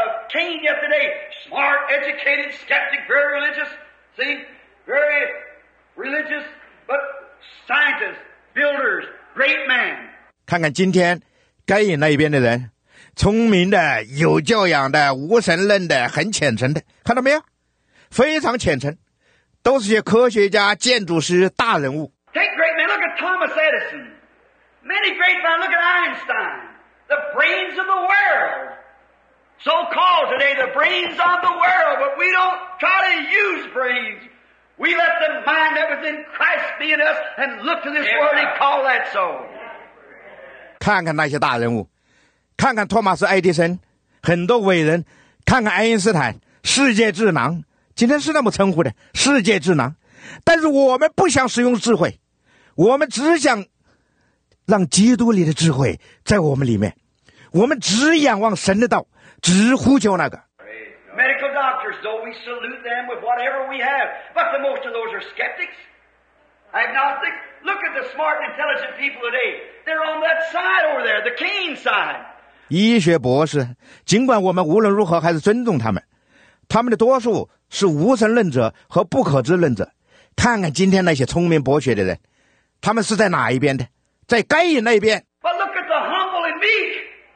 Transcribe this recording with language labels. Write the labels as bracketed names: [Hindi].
[English] Cain yesterday, smart, educated, skeptic, very religious, see, very religious, but scientists, builders, great man. [Chinese] 看看今天该隐那边的人，聪明的、有教养的、无神论的、很虔诚的，看到没有？非常虔诚，都是些科学家、建筑师、大人物。 [English] Take great men, look at Thomas Edison, many great men, look at Einstein, the brains of the world. So called today, the brains of the world, but we don't try to use brains. We let the mind that was in Christ be in us and look to this world and call that so. [Chinese] 看看那些大人物，看看托马斯·爱迪生，很多伟人，看看爱因斯坦，世界智囊，今天是那么称呼的，世界智囊。但是我们不想使用智慧，我们只想让基督里的智慧在我们里面，我们只仰望神的道。直呼求那个。 [English] Medical doctors, though we salute them with whatever we have, but the most of those are skeptics, agnostics. Look at the smart, intelligent people today. They're on that side over there, the Cain side. [Chinese] 医学博士，尽管我们无论如何还是尊重他们，他们的多数是无神论者和不可知论者。看看今天那些聪明博学的人，他们是在哪一边的？在该隐那边。 [English] But look at the humble and meek.